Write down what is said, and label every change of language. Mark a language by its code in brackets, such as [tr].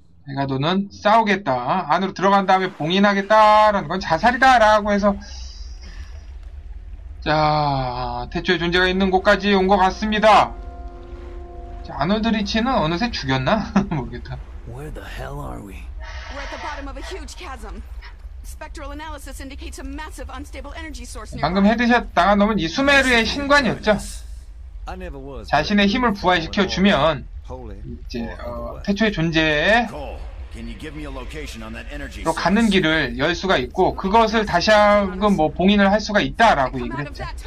[ko] 에가도는 싸우겠다, 안으로 들어간 다음에 봉인하겠다라는 건 자살이다 라고 해서 자, 태초의 존재가 있는 곳까지 온 것 같습니다. 자, 아놀드 리치는 어느새 죽였나? 모르겠다. [en] Where the hell are we? We're at the bottom of a huge chasm. Spectral analysis indicates a massive unstable energy source. [ko] 방금 헤드샷 당한 놈은 이 수메르의 신관이었죠. 자신의 힘을 부활시켜 주면 이제 태초의 존재의 로 가는 길을 열 수가 있고 그것을 다시 한번 뭐 봉인을 할 수가 있다라고 얘기를 했죠.